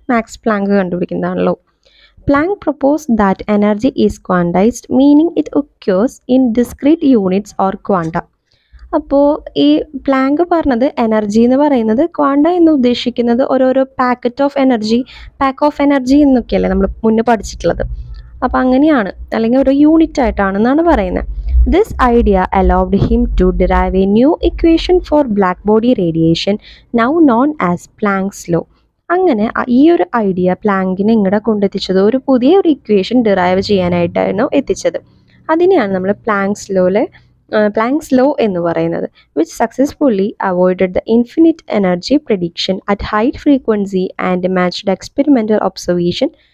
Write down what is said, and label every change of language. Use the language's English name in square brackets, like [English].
[Malayalam] Max Planck കണ്ടുപിടിക്കുന്നതാണല്ലോ. [English] Planck propose that energy is quantized, meaning it occurs in discrete units or quanta. [Malayalam] അപ്പോൾ ഈ Planck പറഞ്ഞത് energy എന്ന് പറയുന്നത് quanta എന്ന് ഉദ്ദേശിക്കുന്നത് ഓരോരോ packet of energy, pack of energy എന്നൊക്കെയല്ലേ നമ്മൾ മുന്നേ പഠിച്ചിട്ടുള്ളത്. അപ്പോൾ അങ്ങനെയാണ്, അല്ലെങ്കിൽ ഒരു യൂണിറ്റ് ആയിട്ടാണെന്നാണ് പറയുന്നത്. [English] This idea allowed him to derive a new equation for black body radiation, now known as Planck's law. [Malayalam] അങ്ങനെ ഈ ഒരു ഐഡിയ പ്ലാങ്കിനെ ഇങ്ങോട്ട് കൊണ്ടെത്തിച്ചത് ഒരു പുതിയ ഒരു ഇക്വേഷൻ ഡിറൈവ് ചെയ്യാനായിട്ടായിരുന്നു എത്തിച്ചത്. അതിനെയാണ് നമ്മൾ പ്ലാങ്ക്സ് ലോയിലെ പ്ലാങ്ക്സ് ലോ എന്ന് പറയുന്നത്. [English] Which successfully avoided the infinite energy prediction at high frequency and matched experimental observation.